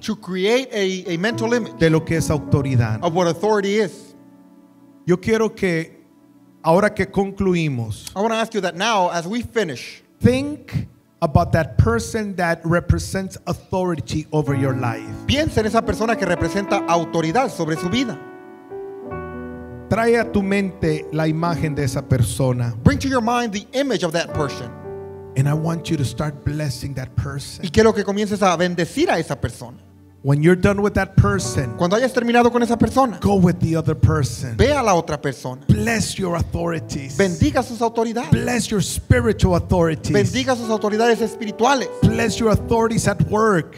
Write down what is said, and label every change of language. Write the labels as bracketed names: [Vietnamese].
[English] To create a mental image. [Spanish] De lo que es autoridad. [English] Of what authority is. [Spanish] Yo quiero que ahora que concluimos. [English] I want to ask you that now as we finish. Think about that person that represents authority over your life. [Spanish] Piensa en esa persona que representa autoridad sobre su vida. Trae a tu mente la imagen de esa persona. [English] Bring to your mind the image of that person. And I want you to start blessing that person. [Spanish] Y quiero que comiences a bendecir a esa persona. [English] When you're done with that person, [Spanish] cuando hayas terminado con esa persona, [English] go with the other person. [Spanish] Ve a la otra persona. [English] Bless your authorities. [Spanish] Bendiga sus autoridades. [English] Bless your spiritual authorities. [Spanish] Bendiga sus autoridades espirituales. [English] Bless your authorities at work.